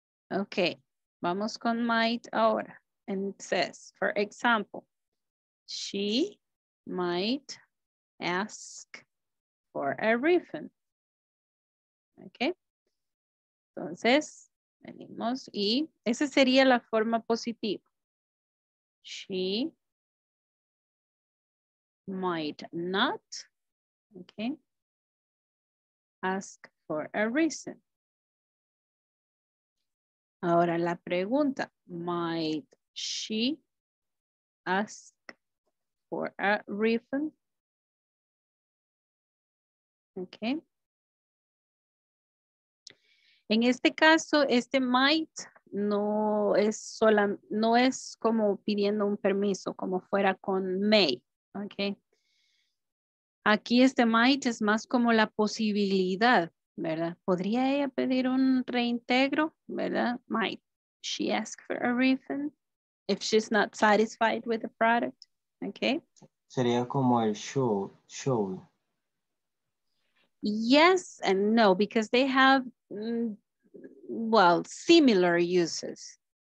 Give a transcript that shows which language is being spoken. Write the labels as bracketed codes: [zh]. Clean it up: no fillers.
[en] Okay, [es] vamos con might ahora. [en] And it says, for example, she might ask for a refund. Okay. [es] Entonces, venimos y esa sería la forma positiva. [en] She might not, okay, ask for a reason. [es] Ahora la pregunta, [en] might she ask for a refund? Okay. [es] En este caso, este might no es como pidiendo un permiso, como fuera con may, okay? Aquí este might es más como la posibilidad, ¿verdad? ¿Podría ella pedir un reintegro, verdad? [en] Might she ask for a refund if she's not satisfied with the product, okay? [es] Sería como el should. [en] Yes and no, because they have, well, similar uses.